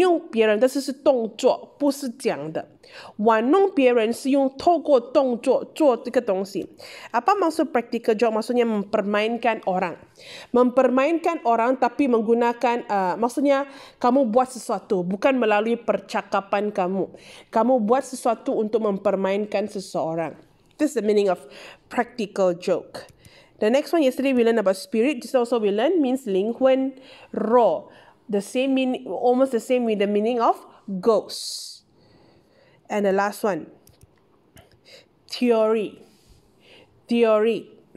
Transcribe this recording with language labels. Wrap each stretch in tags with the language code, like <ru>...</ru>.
<zh>玩弄别人的是动作,不是讲的.玩弄别人是用透过动作做这个东西.</zh> <id>Apa maksud practical joke? Maksudnya mempermainkan orang. Mempermainkan orang tapi menggunakan, maksudnya kamu buat sesuatu, bukan melalui percakapan kamu. Kamu buat sesuatu untuk mempermainkan seseorang.</id> <en>This is the meaning of practical joke. The next one, yesterday we learned about spirit. This also we learned means 灵魂, roh. The same meaning, almost the same with the meaning of ghosts. And the last one, theory. Theory.</en>